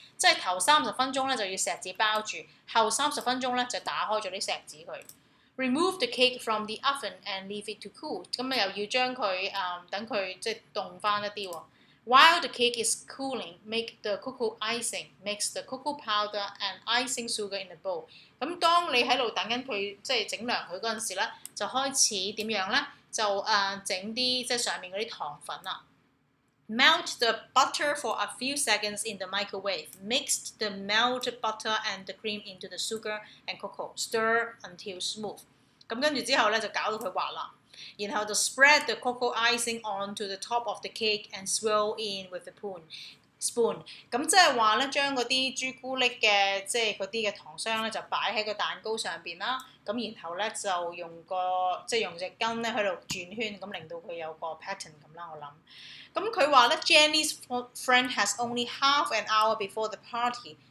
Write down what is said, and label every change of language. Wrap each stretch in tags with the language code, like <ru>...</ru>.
<yue>即係頭三十分鐘咧就要錫紙包住，後三十分鐘咧就打開咗啲錫紙佢。</yue> <en>Remove the cake from the oven and leave it to cool。</en> <yue>咁又要將佢等佢即係凍翻一啲喎。</yue> <en>While the cake is cooling, make the cocoa icing. Mix the cocoa powder and icing sugar in the bowl。</en> <yue>咁當你喺度等緊佢即係整涼佢嗰陣時咧，就開始點樣咧？就整啲即係上面嗰啲糖粉啦。</yue> <en>Melt the butter for a few seconds in the microwave. Mix the melted butter and the cream into the sugar and cocoa. Stir until smooth.</en> <yue>咁跟住之後咧就搞到佢滑啦。然後就</yue> <en>spread the cocoa icing onto the top of the cake and swirl in with a spoon.</en> <yue>spoon， 咁即係話咧，將嗰啲朱古力嘅即係嗰啲嘅糖霜咧，就擺喺個蛋糕上邊啦。咁然後咧就用個即係用隻羹咧喺度轉圈，咁令到佢有個 pattern 咁啦。我諗，咁佢話咧 ，</yue> <en>Jenny's friend has only half an hour before the party.</en>